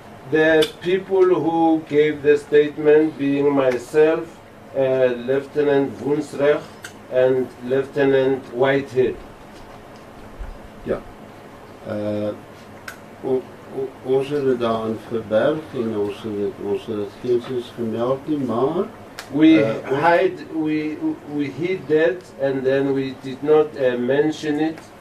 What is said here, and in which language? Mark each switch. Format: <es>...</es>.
<en>The people who gave the statement being myself, Lieutenant Woensreg and Lieutenant Whitehead.</en> <af>Ja, ons het dit daar aan verberg en ons het dit geensins gemeld nie, maar</af> <en>We hid that and then we did not mention it.</en>